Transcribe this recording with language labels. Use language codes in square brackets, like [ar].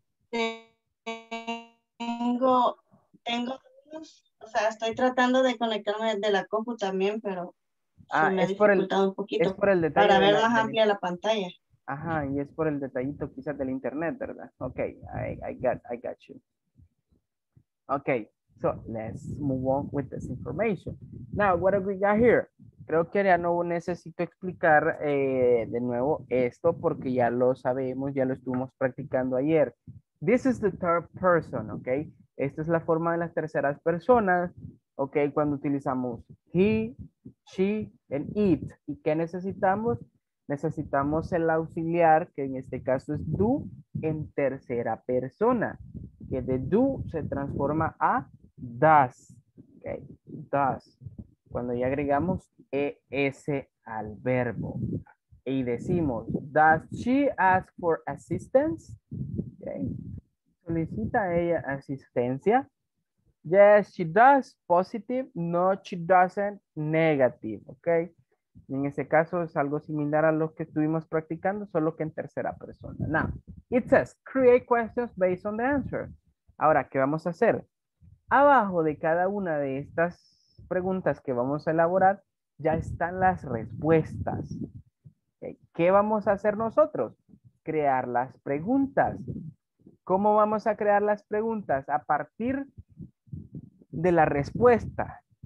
[es] Tengo, o sea, estoy tratando de conectarme desde la compu también, pero es por el detalle. Para ver más amplia la pantalla. Ajá, y es por el detallito quizás del internet, ¿verdad? [en] Ok, I got you. Ok, so let's move on with this information. Now, what have we got here? [es] Creo que ya no necesito explicar de nuevo esto porque ya lo sabemos, ya lo estuvimos practicando ayer. [en] This is the third person, [es] ok? Esta es la forma de las terceras personas, ok? Cuando utilizamos he, she, and it. ¿Y qué necesitamos? Necesitamos el auxiliar, que en este caso es do, en tercera persona. Que de do se transforma a does. Okay? Does. Cuando ya agregamos es al verbo. Y decimos, [en] does she ask for assistance? Okay. [es] ¿Solicita ella asistencia? [en] Yes, she does. Positive. No, she doesn't. Negative. Okay. [es] En ese caso es algo similar a lo que estuvimos practicando, solo que en tercera persona. [en] Now, it says, create questions based on the answer. [es] Ahora, ¿qué vamos a hacer? Abajo de cada una de estas preguntas que vamos a elaborar, ya están las respuestas. ¿Qué vamos a hacer nosotros? Crear las preguntas. ¿Cómo vamos a crear las preguntas? A partir de la respuesta.